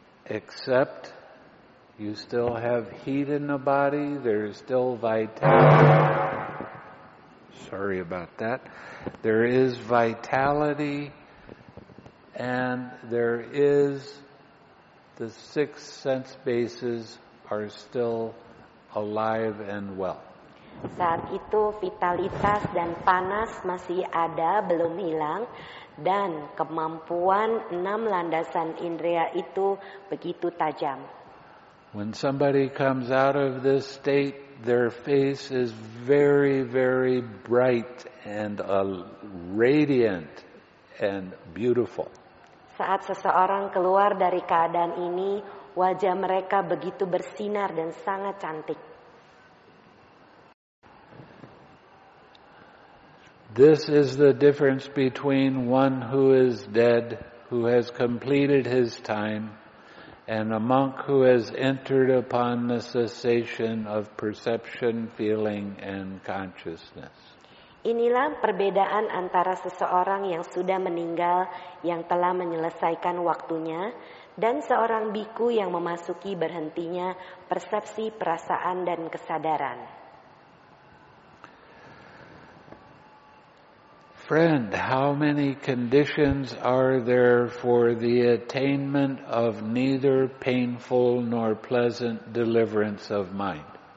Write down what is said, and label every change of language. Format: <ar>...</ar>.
<en>Except you still have heat in the body, there is still vitality. Sorry about that. There is vitality and there is the six sense bases are still alive and well.</en> <id>Saat itu vitalitas dan panas masih ada, belum hilang, dan kemampuan 6 landasan indera itu begitu tajam.</id> <en>When somebody comes out of this state, their face is very, very bright and radiant and beautiful.</en> <id>Saat seseorang keluar dari keadaan ini, wajah mereka begitu bersinar dan sangat cantik.</id> <en>This is the difference between one who is dead, who has completed his time, and a monk who has entered upon the cessation of perception, feeling, and consciousness.</en> <id>Inilah perbedaan antara seseorang yang sudah meninggal, yang telah menyelesaikan waktunya, dan seorang bhikkhu yang memasuki berhentinya persepsi, perasaan, dan kesadaran.</id> <en>Friend, how many conditions are there for the attainment of neither painful nor pleasant deliverance of mind?</en>